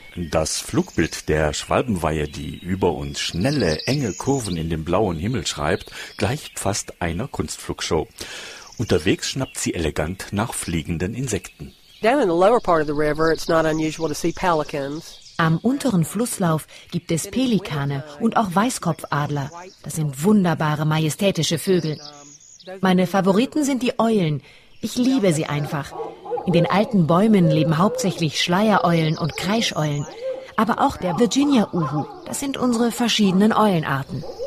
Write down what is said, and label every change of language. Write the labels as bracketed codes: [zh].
[de] Das Flugbild der Schwalbenweihe, die über uns schnelle, enge Kurven in den blauen Himmel schreibt, gleicht fast einer Kunstflugshow. Unterwegs schnappt sie elegant nach fliegenden Insekten. [en] Down in the lower part of the river, it's not unusual to see pelicans. [de] Am unteren Flusslauf gibt es Pelikane und auch Weißkopfadler. Das sind wunderbare, majestätische Vögel. Meine Favoriten sind die Eulen. Ich liebe sie einfach. In den alten Bäumen leben hauptsächlich Schleiereulen und Kreischeulen. Aber auch der Virginia-Uhu. Das sind unsere verschiedenen Eulenarten.